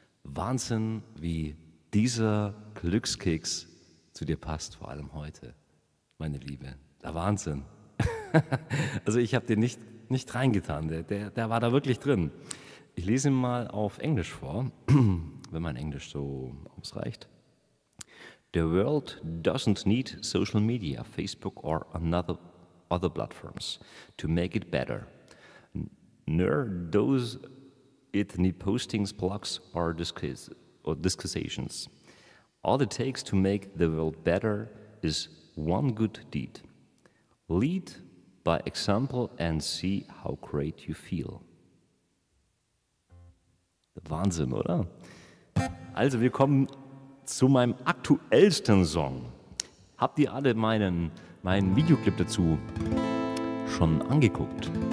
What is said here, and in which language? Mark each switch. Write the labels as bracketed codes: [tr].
[de] Wahnsinn, wie dieser Glückskeks zu dir passt, vor allem heute, meine Liebe. Der Wahnsinn. Also ich habe den nicht reingetan, der war da wirklich drin. Ich lese ihn mal auf Englisch vor, wenn mein Englisch so ausreicht. [en] The world doesn't need social media, Facebook or other platforms to make it better. Nor does it need postings, blogs or discussions. All it takes to make the world better is one good deed. Lead by example and see how great you feel. [de] Wahnsinn, oder? Also, wir kommen zu meinem aktuellsten Song. Habt ihr alle meinen Videoclip dazu schon angeguckt?